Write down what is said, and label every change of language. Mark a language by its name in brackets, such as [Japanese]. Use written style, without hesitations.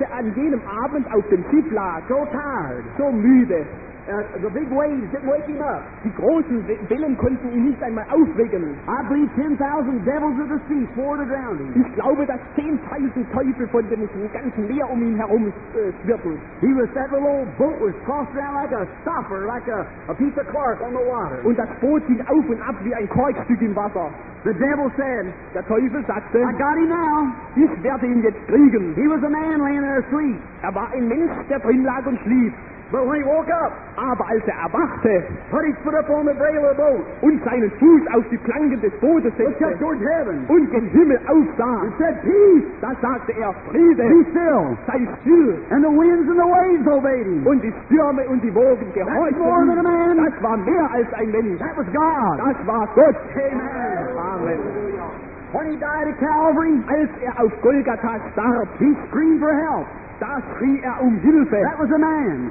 [German] als er an jenem Abend auf dem Schiff lag, [English] so tired, [German] so müde, [English] The big waves didn't wake him up. [German] Die großen Wellen konnten ihn nicht einmal aufwecken. [English] I believe 10,000 devils of the sea floated around him. [German] Ich glaube, dass 10,000 Teufel von dem ganzen Meer um ihn herum schwirrten. [English] He was that little old boat was tossed around like a stopper, like a piece of cork on the water. [German] Und das Boot ging auf und ab wie ein Korkstück im Wasser. [English] The devil said, [German] der Teufel sagte, [English] I got him now. [German] Ich werde ihn jetzt kriegen. [English] He was a man laying there asleep. [German] Er war ein Mensch, der drin lag und schlief. [English] But when he woke up, [German] aber als er erwachte, [English] put his foot up on the rail of the boat, [German] und seinen Fuß auf die Planken des Bootes setzte, [English] looked up towards heaven, [German] und den Himmel aufsah, [English] and said, peace. [German] Da sagte er, Friede. [English] Be still. [German] Sei still. [English] And the winds and the waves obeyed him. [German] Und die Stürme und die Wogen gehorchten. [English] That's more than a man. [German] Das war mehr als ein Mensch. [English] That was God. [German] Das war Gott. [English] Amen. [German] Amen. [English] When he died at Calvary, [German] als er auf Golgatha starb, [English] he screamed for help. [German] Da schrie er um Hilfe. [English] That was a man.